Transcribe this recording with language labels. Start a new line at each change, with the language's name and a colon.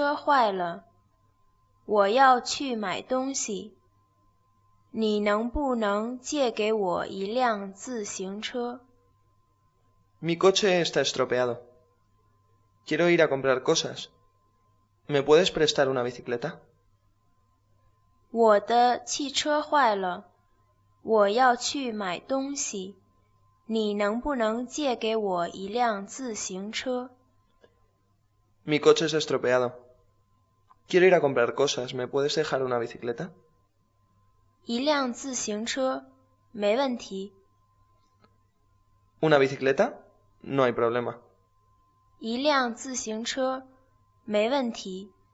Chinese: 我的汽车坏了, 我要去买东西. 你能不能借给我一辆自行车?
Spanish: Mi coche está estropeado. Quiero ir a comprar cosas. ¿Me puedes prestar una bicicleta?
Chinese: 我的汽车坏了，我要去买东西。你能不能借给我一辆自行车?
Spanish: Mi coche está estropeado. Quiero ir a comprar cosas. ¿Me puedes dejar una bicicleta?
Chinese: 一辆自行车，没问题.
Spanish: Una bicicleta, no hay problema.
Chinese: 一辆自行车，没问题.